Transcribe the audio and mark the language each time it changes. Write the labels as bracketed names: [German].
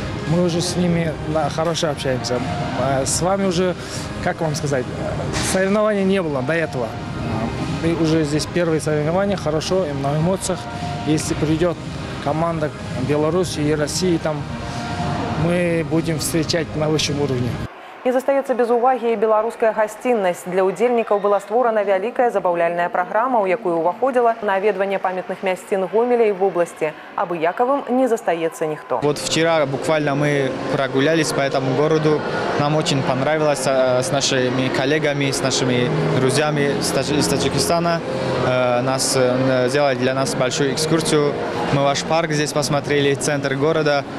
[Russian] Мы уже с ними хорошо общаемся. С вами уже, как вам сказать, соревнований не было до этого. И уже здесь первые соревнования, хорошо, и на эмоциях. Если придет команда Беларуси и России, там мы будем встречать на высшем уровне. [Belarusian] Не застаецца без увагі і беларуская гасціннасць. Для ўдзельнікаў была створана вялікая забаўляльная праграма, у якую ўваходзіла наведванне памятных мясцін Гомеля і вобласці. Абыякавым не застаецца ніхто. [Russian] Вот вчера буквально мы прагулялись по этому городу. Нам очень понравилось с нашими коллегами, с нашими друзьями из Таджикистана. Нас сделали для нас большую экскурсию. Мы ваш парк здесь посмотрели, центр города.